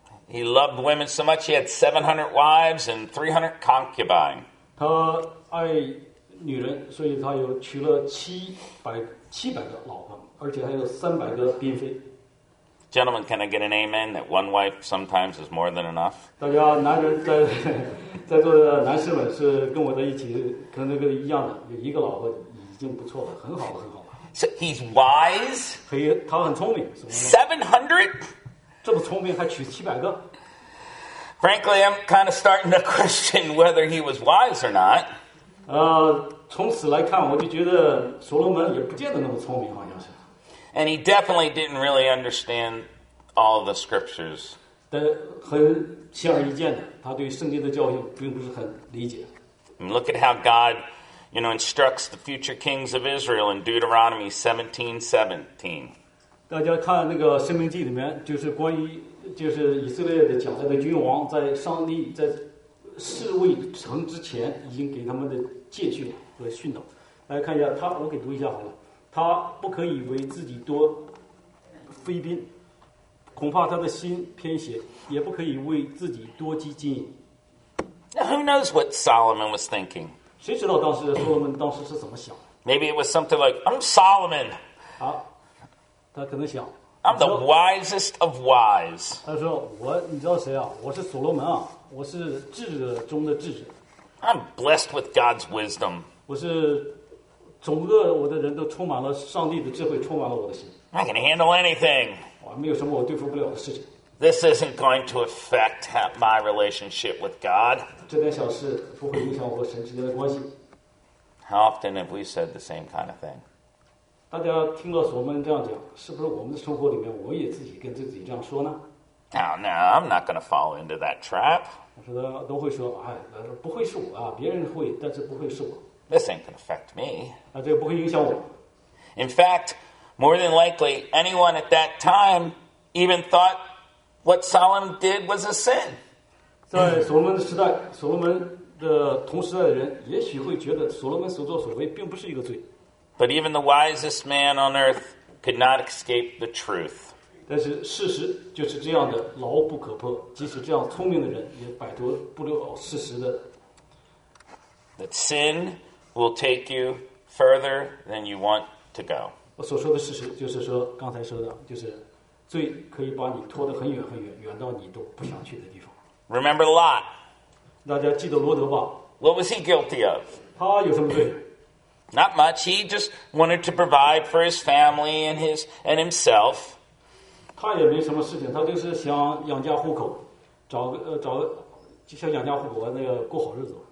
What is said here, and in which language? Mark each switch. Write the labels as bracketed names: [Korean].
[English] He loved women so much he had 700 wives and 300 concubines. [Chinese] 他爱女人，所以他有娶了700个老婆，而且还有300个嫔妃。 [English] Gentlemen, can I get an amen that one wife sometimes is more than enough? [Chinese] 大家男人在座的男士们是跟我在一起，可能跟一样的，有一个老婆已经不错了，很好了，很好了。 [English] So he's wise. [Chinese] 他很聪明。 [English] 700? [Chinese] 这么聪明还娶700个 [English] ？Frankly, I'm kind of starting to question whether he was wise or not. [Chinese] 从此来看，我就觉得所罗门也不见得那么聪明，好像是。 [English] And he definitely didn't really understand all the scriptures. [Chinese] 但很显而易见的，他对圣经的教义并不是很理解。 [English] And look at how God, you know, instructs the future kings of Israel in Deuteronomy 17:17. [Chinese] 大家看那个《申命记》里面，就是关于就是以色列的将来的君王，在上帝在世未成之前，已经给他们的诫训和训导。大家看一下，他我给读一下好了。他不可以为自己多妃嫔，恐怕他的心偏邪，也不可以为自己多积金银。 [English] Who knows what Solomon was thinking? [Chinese] 谁知道当时所罗门当时是怎么想 [English] ？Maybe it was something like, "I'm Solomon." [Chinese] 啊，他可能想 [English] ，I'm the wisest of wise. [Chinese] 他说，我你知道谁啊？我是所罗门啊，我是智者中的智者。 [English] I'm blessed with God's wisdom. [Chinese] 我是。整个我的人都充满了上帝的智慧，充满了我的心。 [English] I can handle anything. [Chinese] 我没有什么我对付不了的事情。 [English] This isn't going to affect my relationship with God. [Chinese] 这点小事不会影响我和神之间的关系。 [English] How often have we said the same kind of thing? [Chinese] 大家听了我们这样讲，是不是我们的生活里面，我也自己跟自己这样说呢 [English] ？Now, no, I'm not going to fall into that trap. [Chinese] 我说都会说，哎，不会是我啊，别人会，但是不会是我。 [English] This ain't gonna affect me. [Chinese] 这个不会影响我。 [English] In fact, more than likely, anyone at that time even thought what Solomon did was a sin. [Chinese] 在所罗门的时代，所罗门的同时代的人也许会觉得所罗门所作所为并不是一个罪。 [English] But even the wisest man on earth could not escape the truth. [Chinese] 但是事实就是这样的，牢不可破。即使这样聪明的人也摆脱不了事实的。 [English] That sin will take you further than you want to go. [Chinese] 我所说的事实就是说，刚才说的，就是罪可以把你拖得很远很远，远到你都不想去的地方。 [English] Remember Lot. [Chinese] 大家记得罗德吧。 [English] What was he guilty of? [Chinese] 他有什么罪？ [English] Not much. He just wanted to provide for his family and his and himself. [Chinese] 他也没什么事情，他就是想养家糊口，想养家糊口，那个过好日子。